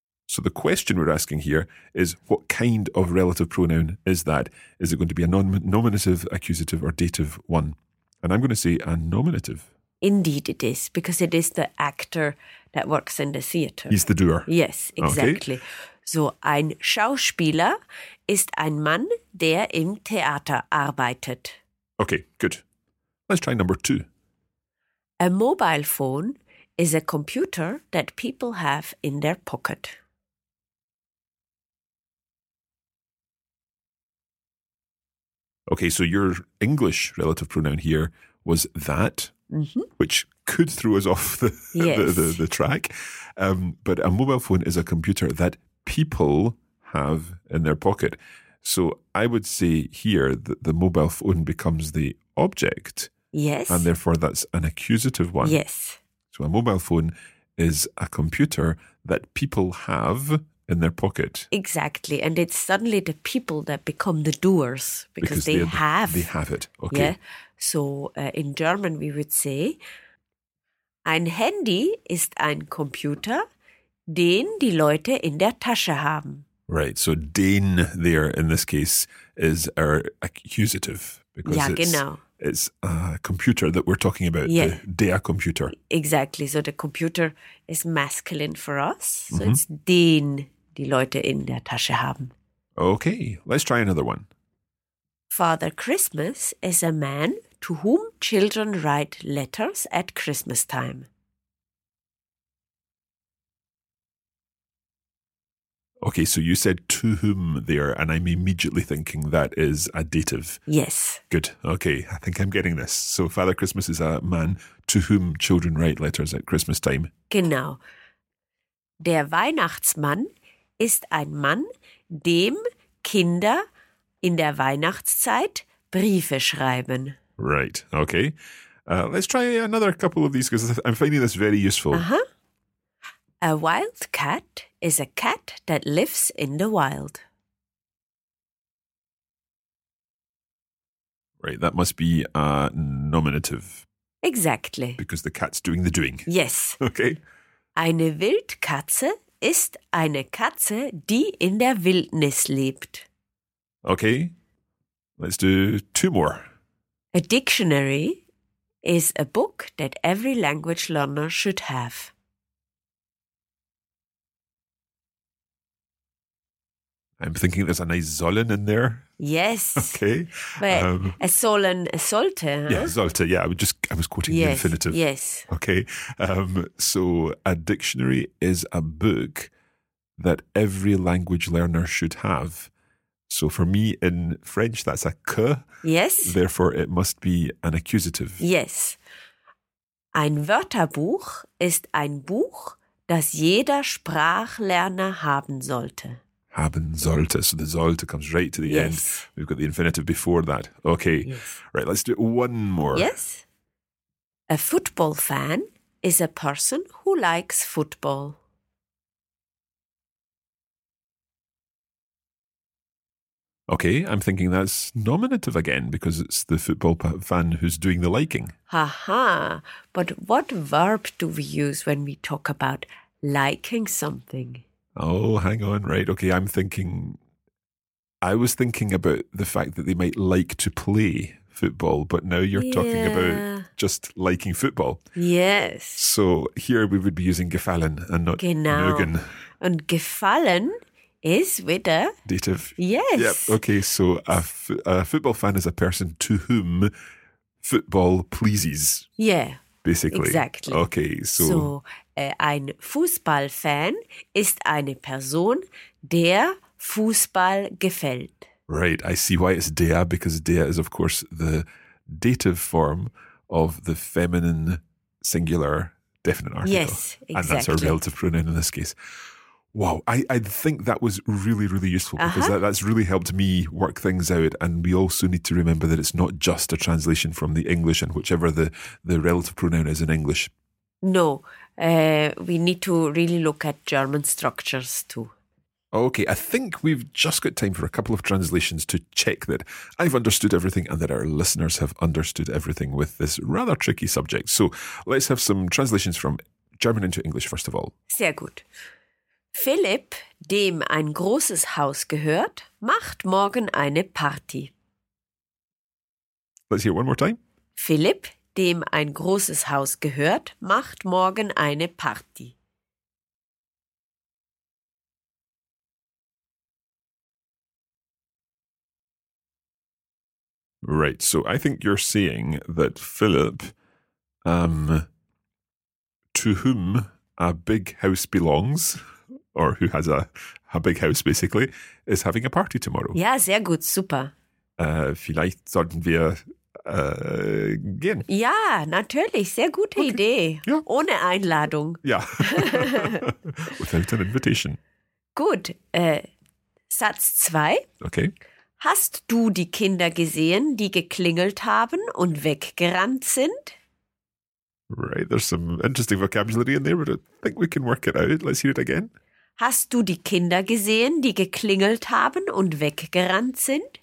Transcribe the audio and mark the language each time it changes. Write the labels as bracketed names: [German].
[English] So the question we're asking here is, what kind of relative pronoun is that? Is it going to be a nominative, accusative, or dative one? And I'm going to say a nominative. Indeed it is, because it is the actor that works in the theatre. He's the doer. Yes, exactly. Okay. [German] So ein Schauspieler ist ein Mann, der im Theater arbeitet. [English] Okay, good. Let's try number two. A mobile phone is a computer that people have in their pocket. Okay, so your English relative pronoun here was that, which could throw us off the track. But a mobile phone is a computer that people have in their pocket. So I would say here that the mobile phone becomes the object. Yes. And therefore that's an accusative one. Yes. So a mobile phone is a computer that people have in their pocket. Exactly. And it's suddenly the people that become the doers because they have it. Okay. Yeah. So in German we would say, [German] ein Handy ist ein Computer, den die Leute in der Tasche haben. [English] Right, so den there in this case is our accusative because it's a computer that we're talking about, [German] der Computer. [English] Exactly, so the computer is masculine for us, so it's [German] den die Leute in der Tasche haben. [English] Okay, let's try another one. Father Christmas is a man to whom children write letters at Christmas time. Okay, so you said to whom there, and I'm immediately thinking that is a dative. Yes. Good. Okay, I think I'm getting this. So Father Christmas is a man to whom children write letters at Christmas time. [German] Genau. Der Weihnachtsmann ist ein Mann, dem Kinder in der Weihnachtszeit Briefe schreiben. [English] Right, okay. Let's try another couple of these because I'm finding this very useful. Uh-huh. A wild cat is a cat that lives in the wild. Right, that must be a nominative. Exactly. Because the cat's doing the doing. Yes. Okay. [German] Eine Wildkatze ist eine Katze, die in der Wildnis lebt. [English] Okay, let's do two more. A dictionary is a book that every language learner should have. I'm thinking there's a nice sollen in there. Yes. Okay. [German] Sollte. Huh? [English] Yeah, sollte. Yeah, I was quoting the infinitive. Yes. Okay. So a dictionary is a book that every language learner should have. So for me in French, that's a que. Yes. Therefore, it must be an accusative. Yes. [German] Ein Wörterbuch ist ein Buch, das jeder Sprachlerner haben sollte. Haben sollte. [English] So the sollte comes right to the end. We've got the infinitive before that. Okay. Yes. Right, let's do one more. Yes. A football fan is a person who likes football. Okay, I'm thinking that's nominative again because it's the football fan who's doing the liking. Aha, but what verb do we use when we talk about liking something? Oh, hang on, right. Okay, I was thinking about the fact that they might like to play football, but now you're talking about just liking football. Yes. So here we would be using gefallen and not mögen. And gefallen is with a dative. Yes. Yep. Okay, so a football fan is a person to whom football pleases. Yeah. Basically. Exactly. Okay, so. Ein Fußballfan ist eine Person, der Fußball gefällt. Right, I see why it's der, because der is, of course, the dative form of the feminine singular definite article. Yes, exactly. And that's our relative pronoun in this case. Wow, I think that was really, really useful because that's really helped me work things out. And we also need to remember that it's not just a translation from the English and whichever the relative pronoun is in English. No, we need to really look at German structures too. Okay, I think we've just got time for a couple of translations to check that I've understood everything and that our listeners have understood everything with this rather tricky subject. So let's have some translations from German into English, first of all. [German] Sehr gut. Philipp, dem ein großes Haus gehört, macht morgen eine Party. [English] Let's hear it one more time. [German] Philipp, dem ein großes Haus gehört, macht morgen eine Party. [English] Right, so I think you're saying that Philipp, to whom a big house belongs, or who has a big house, basically, is having a party tomorrow. [German] Ja, sehr gut, super. Vielleicht sollten wir gehen. Ja, natürlich. Sehr gute okay. Idee. Ja. Ohne Einladung. [English] Ja. Without an invitation. [German] Gut. Satz 2. [English] Okay. [German] Hast du die Kinder gesehen, die geklingelt haben und weggerannt sind? [English] Right, there's some interesting vocabulary in there, but I think we can work it out. Let's hear it again. [German] Hast du die Kinder gesehen, die geklingelt haben und weggerannt sind?